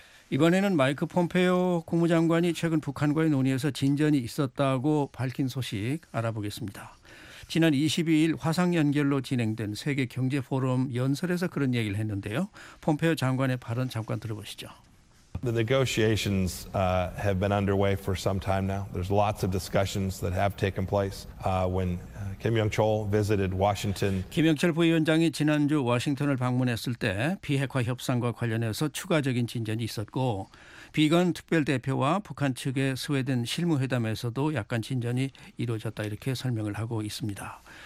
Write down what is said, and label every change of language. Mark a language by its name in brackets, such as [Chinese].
[Korean] 이번에는 마이크 폼페이오 국무장관이 최근 북한과의 논의에서 진전이 있었다고 밝힌 소식 알아보겠습니다. 지난 22일 화상 연결로 진행된 세계 경제 포럼 연설에서 그런 얘기를 했는데요. 폼페이오 장관의 발언 잠깐 들어보시죠. [English] The negotiations have been underway for some time now. There's lots of discussions that have taken place. When Kim Myung-chol visited Washington, [Korean] 김영철 부위원장이 지난주 워싱턴을 방문했을 때 비핵화 협상과 관련해서 추가적인 진전이 있었고 비건 특별대표와 북한 측의 스웨덴 실무회담에서도 약간 진전이 이루어졌다 이렇게 설명을 하고 있습니다.